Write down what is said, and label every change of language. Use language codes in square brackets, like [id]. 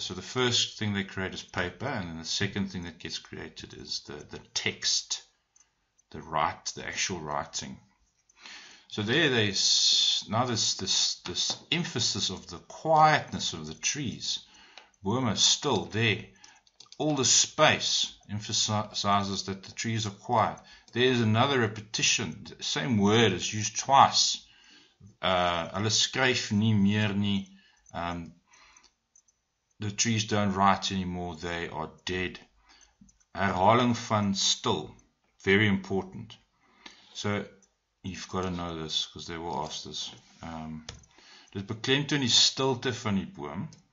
[en] So the first thing they create is paper, and then the second thing that gets created is the text, the actual writing. So there they now this emphasis of the quietness of the trees. Boomer still there. All the space emphasizes that the trees are quiet. There's another repetition. The same word is used twice. [af] Hulle skryf nie meer nie. [en] The trees don't write anymore. They are dead. [af] Herhaling van still. [en] Very important. So you've got to know this because they will ask this. [af] Dit beklemtoon die stilte van die boom.